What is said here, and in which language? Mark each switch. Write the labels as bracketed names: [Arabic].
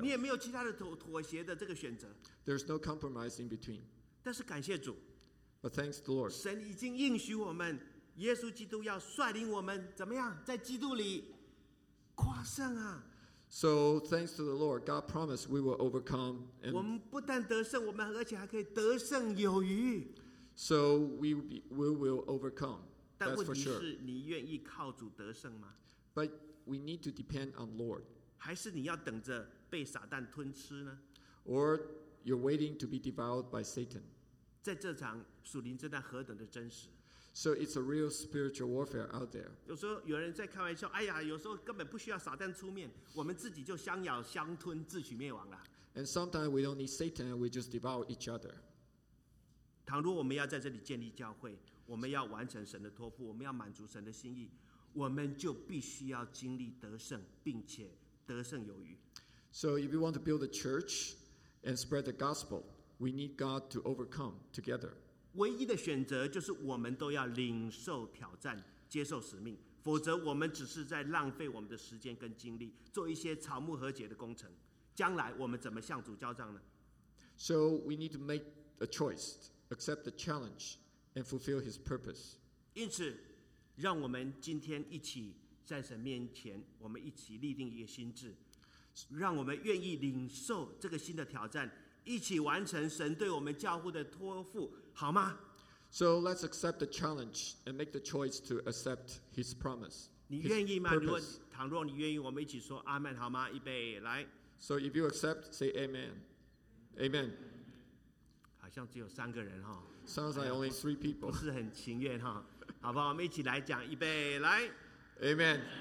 [Chinese] 你也没有其他的妥协的这个选择。 [English] There's no compromise in between. [Chinese] 但是感谢主。 [English] But thanks the Lord. [Chinese] 神已经应许我们，耶稣基督要率领我们怎么样，在基督里夸胜啊。 [English] So thanks to the Lord, God promised we will overcome. [Chinese] 我们不但得胜，我们而且还可以得胜有余。 [English] So we will overcome. That's for sure. [Chinese] 但问题是，你愿意靠主得胜吗 [English] ？But we need to depend on Lord. [Chinese] 还是你要等着被撒旦吞吃呢 [English] ？Or you're waiting to be devoured by Satan. [Chinese] 在这场属灵征战何等的真实 [English] ！So it's a real spiritual warfare out there. [Chinese] 有时候有人在开玩笑，哎呀，有时候根本不需要撒旦出面，我们自己就相咬相吞，自取灭亡了。 [English] And sometimes we don't need Satan, we just devour each other. [Chinese] 倘若我们要在这里建立教会，我们要完成神的托付，我们要满足神的心意，我们就必须要经历得胜，并且得胜有余。 [English] So if you want to build a church and spread the gospel. We need God to overcome together. [Chinese] 唯一的选择就是我们都要领受挑战，接受使命，否则我们只是在浪费我们的时间跟精力，做一些草木和解的工程。将来我们怎么向主交账呢 [English] ？So we need to make a choice, accept the challenge, and fulfill His purpose. [Chinese] 因此，让我们今天一起在神面前，我们一起立定一个心志，让我们愿意领受这个新的挑战。一起完成神对我们教会的托付，好吗 [English] ？So let's accept the challenge and make the choice to accept His promise. [Chinese] 你愿意吗？倘若你愿意，我们一起说阿门，好吗？预备，来。 [English] So if you accept, say Amen. Amen. [Chinese] 好像只有三个人哈。 [English] Sounds like only three people. [Chinese] 不是很情愿哈，好吧？我们一起来讲，预备，来。 [English] Amen.